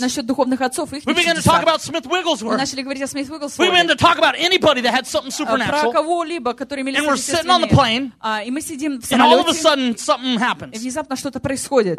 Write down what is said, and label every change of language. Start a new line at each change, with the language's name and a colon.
Russian: Насчет духовных отцов, их.
English: We began to talk about Smith Wigglesworth.
Russian: Мы начали говорить о Смит Уигглсворте.
English: We began to talk about anybody that had something supernatural.
Russian: Про кого-либо, который имел.
English: And we're sitting on the plane.
Russian: И мы сидим.
English: And all of a sudden, something happens.
Russian: И внезапно что-то происходит.